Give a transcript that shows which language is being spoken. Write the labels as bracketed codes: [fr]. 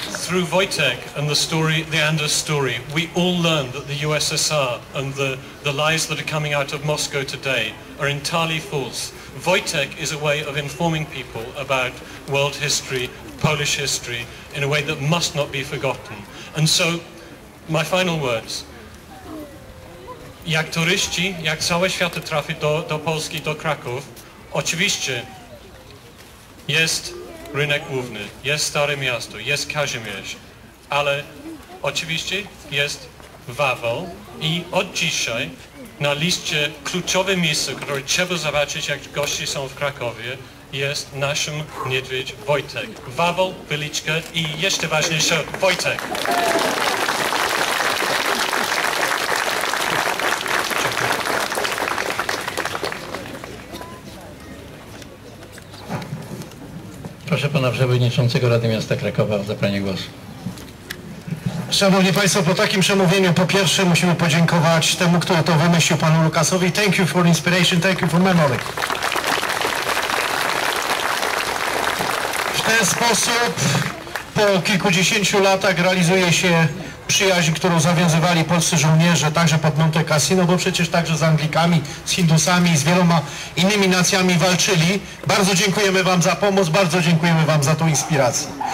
[en] Through Wojtek and the story, the Anders story, we all learn that the USSR and the lies that are coming out of Moscow today are entirely false. Wojtek is a way of informing people about world history, Polish history, in a way that must not be forgotten. And so, my final words. [pl] Jak turyści, jak cały świat trafi do Polski, do Kraków, oczywiście jest Rynek Główny, jest Stare Miasto, jest Kazimierz, ale oczywiście jest Wawel i od dzisiaj na liście kluczowe miejsce, które trzeba zobaczyć, jak goście są w Krakowie, jest naszym niedźwiedź Wojtek. Wawel, Wyliczka i jeszcze ważniejsze, Wojtek. Proszę pana przewodniczącego Rady Miasta Krakowa o zabranie głosu. Szanowni państwo, po takim przemówieniu, po pierwsze musimy podziękować temu, kto to wymyślił, panu Lukasowi. [en] Thank you for inspiration, thank you for memory. [pl] W ten sposób po kilkudziesięciu latach realizuje się przyjaźń, którą zawiązywali polscy żołnierze także pod Monte Cassino, bo przecież także z Anglikami, z Hindusami i z wieloma innymi nacjami walczyli. Bardzo dziękujemy wam za pomoc, bardzo dziękujemy wam za tą inspirację.